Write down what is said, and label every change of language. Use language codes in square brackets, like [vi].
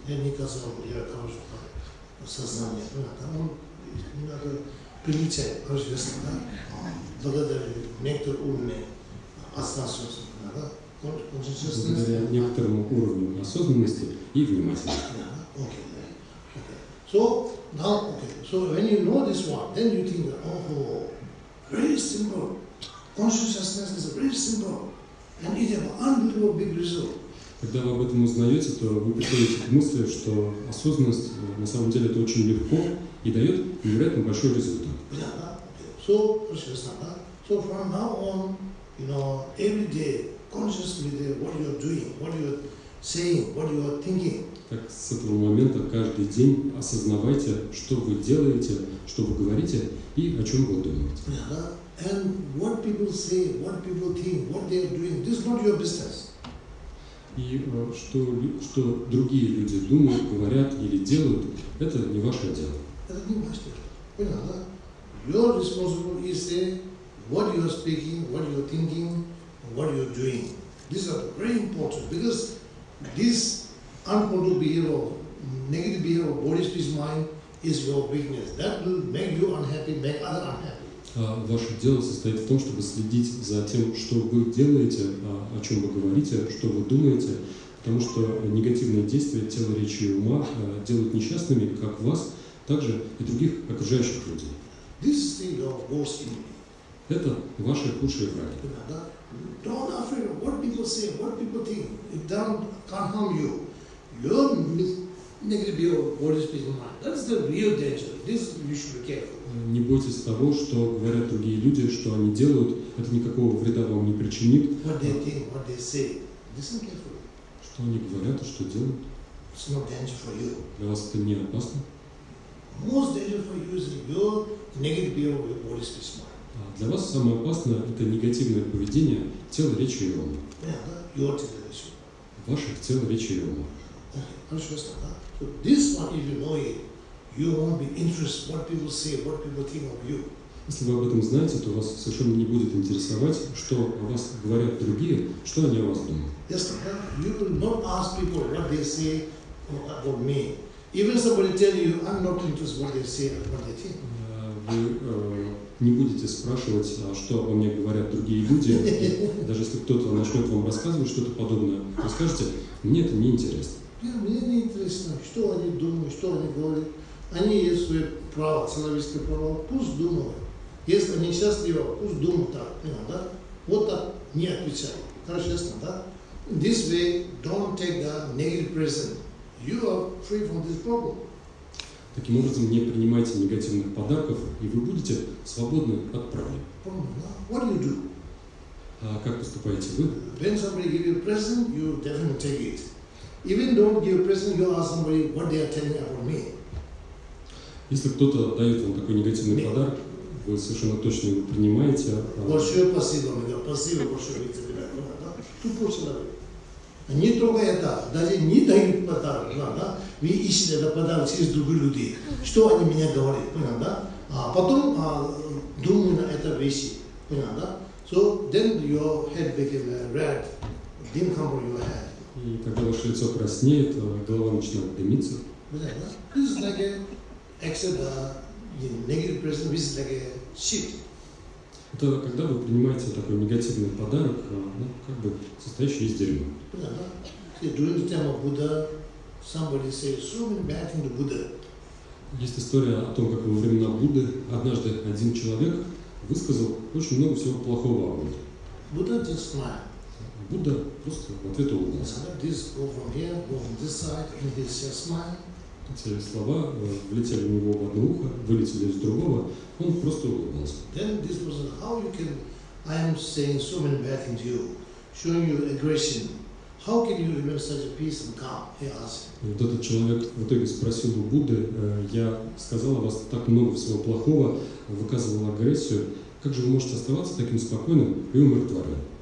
[ru] Я не сказал, я хорошо осознание, надо. Прилетай, пожалуйста, да? Благодаря некоторым уровням осознанности, да? Благодаря некоторому уровню осознанности и внимательности. Да, окей, да. [en] So, now, okay. So, when you know this one, then you think, oh, very simple. Consciousness is very simple. And it has an unbelievable big result. [ru] Когда вы об этом узнаете, то вы приходите к мысли, что осознанность на самом деле это очень легко и дает невероятно большой результат. [en] So from now on, you know, every day, consciously, what you are doing, what you are saying, what you are thinking. [ru] Так с этого момента каждый день осознавайте, что вы делаете, что вы говорите и о чем вы думаете. [en] And what people say, what people think, what they are doing, this is not your business. [ru] И что другие люди думают, говорят или делают, это не ваше дело. Это не ваше дело. Понятно, да? [en] Your responsibility is say what you are speaking, what you are thinking, what you are doing. These are very important because this uncontrolled behavior, negative behavior of body, speech, mind is your weakness. That will make you unhappy, make other unhappy. [ru] Ваше дело состоит в том, чтобы следить за тем, что вы делаете, о чем вы говорите, что вы думаете, потому что негативные действия тела, речи и ума делают несчастными как вас, так же и других окружающих людей. [en] This is the worst enemy. [ru] Это ваши худшие враги. [en] Don't afraid of what people say, what people think. It don't can harm you. Your negative body speaks in mind. That's the real danger. This you should be careful. [ru] Не бойтесь того, что говорят другие люди, что они делают, это никакого вреда вам не причинит. [en] What they think, what they say. Listen carefully. [ru] Что они говорят и что делают? [en] It's no danger for you. [ru] Для вас это не опасно? [en] Most danger for you is your negative behavior with body speech mind. [ru] Для вас самое опасное – это негативное поведение тела, речи и ума. [en] Yeah, [ru] ваших тел, речи и ума. [en] This one, if you know it, you won't be interested what people say, what people think of you. [ru] Если вы об этом знаете, то вас совершенно не будет интересовать, что о вас говорят другие, что они о вас думают. [en] Yes, you will not ask people what they say about me. Even somebody tell you, I'm not interested what they say, what they think. [ru] Вы не будете спрашивать, что обо мне говорят другие люди. Даже если кто-то начнет вам рассказывать что-то подобное, вы скажете, мне это не интересно. Yeah, мне не интересно, что они думают, что они говорят. Они есть свои права, человеческие права, пусть думают. Если они счастливы, пусть думают так, понимаете, да? Вот так не отвечай. Хорошо, да? [en] This way, don't take the negative prison. You are free from this problem. [ru] Таким образом, не принимайте негативных подарков, и вы будете свободны от проблем. [en] What do you do? [ru] А как поступаете вы? [en] When somebody gives you a present, you definitely take it. Even don't give a present, you ask somebody what they are telling about me. [ru] Если кто-то дает вам такой негативный подарок, вы совершенно точно его принимаете. Большое спасибо, мне говорят, спасибо большое, ребята. Тупой человек. Не только это, даже не дают подарок, да? Вы ищете этот подарок через других людей. Что они мне говорят, понятно, да? А потом думаю на rishi, Pinanda. [en] So then your head became red, dim come from your head. [ru] И когда ваше лицо краснеет, голова начинает дымиться. [en] This is like a exit, negative present, which is like a shit. [ru] Это когда вы принимаете такой негативный подарок, ну, как бы состоящий из дерьма. [en] So during the time of Buddha, somebody says so many bad things to Buddha. [ru] Есть история о том, как во времена Будды однажды один человек высказал очень много всего плохого о Будде. [en] Buddha just smiled. [ru] Будда просто в ответ улыбнулся. [en] This go from here, go from this side, and this just smile. [ru] Эти слова влетели в него в одно ухо, вылетели из другого, он просто улыбнулся. [en] Then this person, how you can, I am saying so many bad things to you, showing you aggression. How can you remain such a peace and calm? He asked. [ru] Вот этот человек в итоге спросил у Будды, я сказал о вас так много всего плохого, выказывал агрессию, как же вы можете оставаться таким спокойным и умиротворенным?